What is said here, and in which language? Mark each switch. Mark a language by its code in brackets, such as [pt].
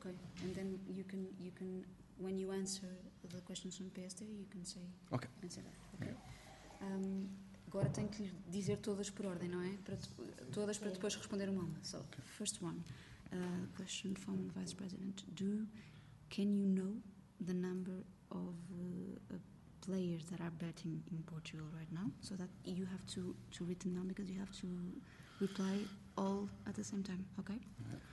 [en] Okay, and then you can when you answer the questions from PSD, you can say... Okay. Answer that, okay? Yeah. [pt] Agora tenho que lhe dizer todas por ordem, não é? Todas para depois responder uma. [en] So, first one, question from the Vice President. Can you know the number of players that are betting in Portugal right now? So that you have to write them down, because you have to reply all at the same time, okay? Yeah.